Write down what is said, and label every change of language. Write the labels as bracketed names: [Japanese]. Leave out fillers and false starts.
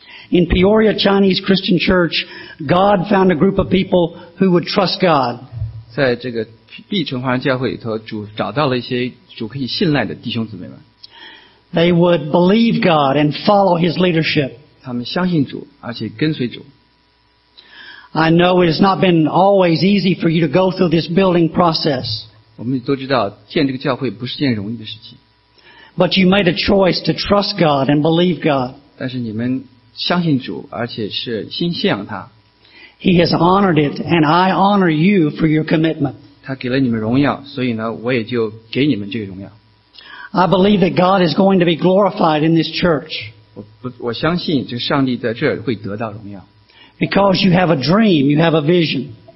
[English] In Peoria Chinese Christian Church, God found a group of people who would trust God. [Chinese] 在这个毕城华人教会里头，主找到了一些主可以信赖的弟兄姊妹们。 [English] They would believe God and follow His leadership. [Chinese] 他们相信主，而且跟随主。 [English] I know it has not been always easy for you to go through this building process. [Chinese] 我们都知道，建这个教会不是件容易的事情。 [English] But you made a choice to trust God and believe God. [Chinese] 但是你们 相信主，而且是心信仰他。 [English] He has honored it, and I honor you for your commitment. [Chinese] 他给了你们荣耀，所以呢，我也就给你们这个荣耀。 [English] I believe that God is going to be glorified in this church. [Chinese] 我相信这上帝在这儿会得到荣耀。 [English] Because you have a dream, you have a vision.